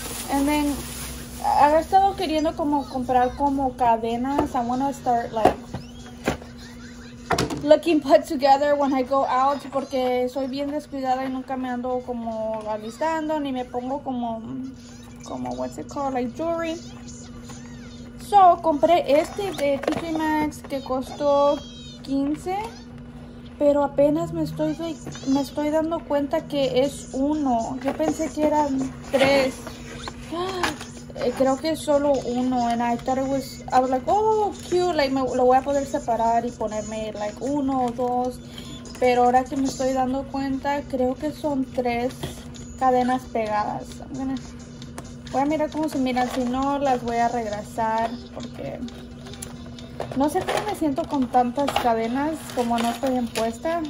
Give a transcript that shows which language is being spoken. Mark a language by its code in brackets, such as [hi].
[en] And then [es] había estado queriendo como comprar como cadenas. [en] I want to start like looking put together when I go out [es] porque soy bien descuidada y nunca me ando como alistando ni me pongo como [en] what's it called, like jewelry. [es] So, compré este de TJ Maxx que costó $15, pero apenas me estoy dando cuenta que es uno. Yo pensé que eran tres. Creo que es solo uno. [en] And I thought I was like, oh, cute. [es] Like, lo voy a poder separar y ponerme, like, uno o dos. Pero ahora que me estoy dando cuenta, creo que son tres cadenas pegadas. Voy a mirar cómo se miran, si no las voy a regresar porque no sé cómo me siento con tantas cadenas como no estoy en puesta.